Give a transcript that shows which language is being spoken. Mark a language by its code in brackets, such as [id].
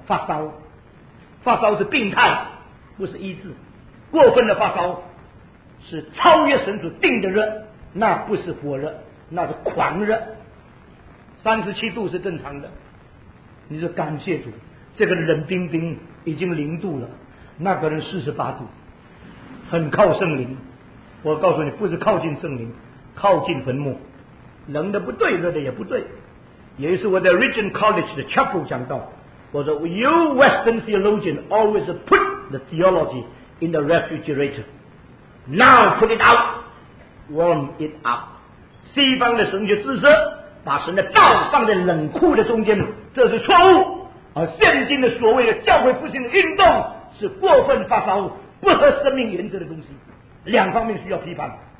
[zh] 发烧，发烧是病态不是医治，过分的发烧是超越神所定的热，那不是火热那是狂热，37度是正常的。你说感谢主，这个冷冰冰已经0度了，那个人48度很靠圣灵，我告诉你不是靠近圣灵，靠近坟墓，冷的不对，热的也不对。有一次我在 Regent College 的 Chapel 讲道，我说 [en] You Western theologian always put the theology in the refrigerator. Now put it out. Warm it up. [zh] 西方的神学知识把神的道放在冷库的中间，这是错误。而现今的所谓的教会复兴的运动是过分发烧，不合生命原则的东西，两方面需要批判。